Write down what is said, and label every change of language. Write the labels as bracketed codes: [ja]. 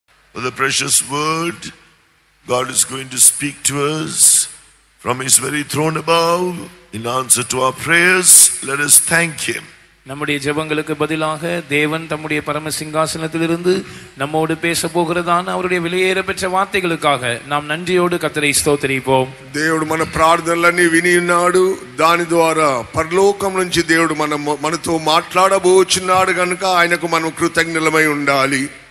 [en] For the precious word God is going to speak to us from his very throne above in answer to our prayers, let us thank him. [ta] நம்முடைய ஜெபங்களுக்கு பதிலாக தேவன் தம்முடைய பரம சிங்காசனத்திலிருந்து நம்மோடு பேச போகிறதான அவருடைய விலையேற பெற்ற வார்த்தைகளுக்காக நாம் நன்றியோடு கர்த்தரை ஸ்தோத்திரிப்போம். [te] தேவனு மன பிரார்த்தனலன்னி வினியுன்னாடு, దాని ద్వారా పరలోకం నుంచి దేవుడు మన మనతో మాట్లాడబోచున్నాడు గనుక ఆయనకు మనం కృతజ్ఞులమై ఉండాలి.